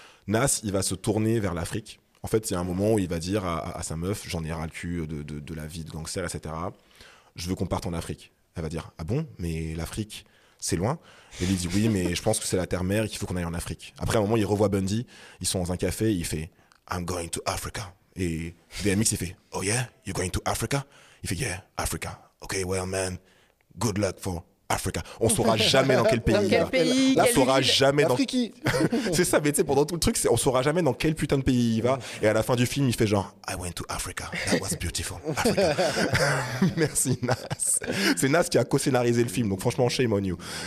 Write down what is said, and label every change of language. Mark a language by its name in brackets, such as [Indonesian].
[French] Nas, il va se tourner vers l'Afrique. En fait, il y a un moment où il va dire à sa meuf, j'en ai ras le cul de la vie de gangster, etc. Je veux qu'on parte en Afrique. Elle va dire, ah bon, mais l'Afrique, c'est loin. Et lui dit, oui, mais je pense que c'est la terre mère et qu'il faut qu'on aille en Afrique. Après, à un moment, il revoit Bundy, ils sont dans un café, il fait, [English] I'm going to Africa. [French] Et DMX, il fait, [English] oh yeah, you're going to Africa? [French] Il fait, [English] yeah, Africa. Ok, well, man, good luck for Africa. [French] On saura jamais dans quel pays. Dans quel pays, on saura jamais dans. C'est ça, mais tu sais, pendant tout le truc, on saura jamais dans quel putain de pays il va. Et à la fin du film, il fait genre, [English] I went to Africa. That was beautiful. Africa. [French] Merci, Nas. C'est Nas qui a co-scénarisé le film, donc franchement, [English] shame on you.